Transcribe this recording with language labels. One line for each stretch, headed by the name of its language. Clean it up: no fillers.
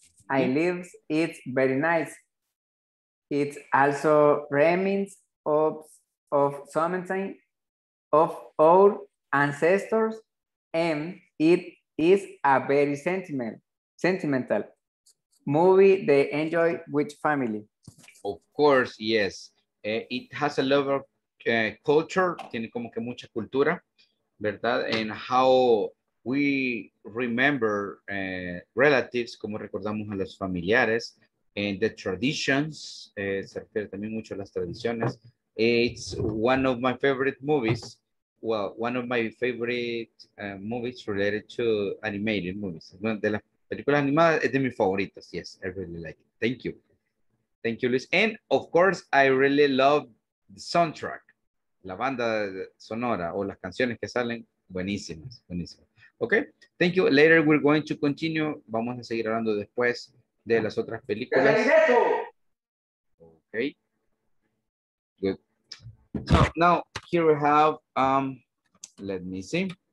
English: Mm-hmm. I live it very nice. It also remains of sometime of our ancestors, and it is a very sentimental movie they enjoy with family. Of course, yes. It has a lot of culture,
Spanish: tiene como que mucha cultura, ¿verdad?
English: And how we remember relatives,
Spanish: como recordamos a los familiares,
English: and the traditions,
Spanish: se refiere también mucho a las tradiciones.
English: It's one of my favorite movies. Well, one of my favorite movies related to animated movies.
Spanish: De las películas animadas, es de mis favoritas.
English: Yes, I really like it. Thank you. Thank you, Luis. And of course, I really love the soundtrack.
Spanish: La banda sonora o las canciones que salen, buenísimas, buenísimas.
English: Okay, thank you. Later, we're going to continue.
Spanish: Vamos a seguir hablando después de las otras películas.
English: Okay. Good. So now here we have, let me see.